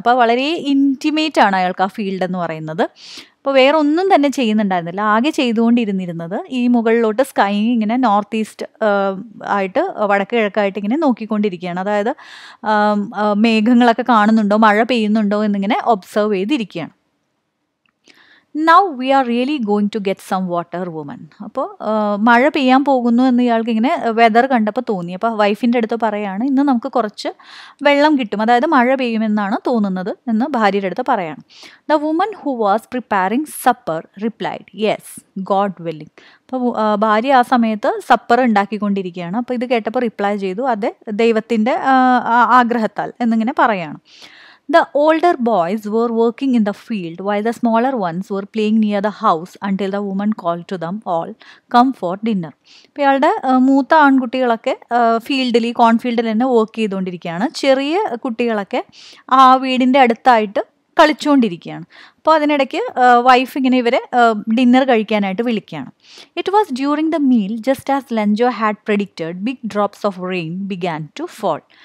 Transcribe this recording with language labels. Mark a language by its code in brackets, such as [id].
[ml] അപ്പോൾ വളരെ ഇൻറ്റിമേറ്റ് ആണ് അയാൾക്ക് ആ ഫീൽഡ് എന്ന് പറയുന്നത്. അപ്പോൾ വേറെ ഒന്നും തന്നെ ചെയ്യുന്നുണ്ടായിരുന്നില്ല, ആകെ ചെയ്തുകൊണ്ടിരുന്നിരുന്നത് ഈ മുകളിലോട്ട് സ്കൈ ഇങ്ങനെ നോർത്ത് ഈസ്റ്റ് ആയിട്ട് വടക്ക് കിഴക്കായിട്ട് ഇങ്ങനെ നോക്കിക്കൊണ്ടിരിക്കുകയാണ്. അതായത് മേഘങ്ങളൊക്കെ കാണുന്നുണ്ടോ മഴ പെയ്യുന്നുണ്ടോ എന്നിങ്ങനെ ഒബ്സർവ് ചെയ്തിരിക്കുകയാണ്. [en] Now we are really going to get some water, woman. [ml] അപ്പോൾ മഴ പെയ്യാൻ പോകുന്നു എന്ന് ഇയാൾക്ക് ഇങ്ങനെ വെതർ കണ്ടപ്പോൾ തോന്നി. അപ്പോൾ വൈഫിൻ്റെ അടുത്ത് പറയുകയാണ്, ഇന്ന് നമുക്ക് കുറച്ച് വെള്ളം കിട്ടും, അതായത് മഴ പെയ്യുമെന്നാണ് തോന്നുന്നത് എന്ന് ഭാര്യയുടെ അടുത്ത് പറയുകയാണ്. [en] The woman who was preparing supper replied yes God willing. [ml] അപ്പോൾ ഭാര്യ ആ സമയത്ത് സപ്പർ ഉണ്ടാക്കിക്കൊണ്ടിരിക്കുകയാണ്. അപ്പോൾ ഇത് കേട്ടപ്പോൾ റിപ്ലൈ ചെയ്തു, അതെ ദൈവത്തിൻ്റെ ആഗ്രഹത്താൽ എന്നിങ്ങനെ പറയുകയാണ്. [en] The older boys were working in the field while the smaller ones were playing near the house until the woman called to them all, come for dinner. [ml] ഇപ്പോൾ ഇയാളുടെ മൂത്ത ആൺകുട്ടികളൊക്കെ ഫീൽഡിൽ ഈ കോൺഫീൽഡിൽ തന്നെ വർക്ക് ചെയ്തുകൊണ്ടിരിക്കുകയാണ്. ചെറിയ കുട്ടികളൊക്കെ ആ വീടിൻ്റെ അടുത്തായിട്ട് കളിച്ചുകൊണ്ടിരിക്കുകയാണ്. അപ്പോൾ അതിനിടയ്ക്ക് വൈഫ് ഇങ്ങനെ ഇവരെ ഡിന്നർ കഴിക്കാനായിട്ട് വിളിക്കുകയാണ്. [en] It was during the meal just as Lencho had predicted big drops of rain began to fall.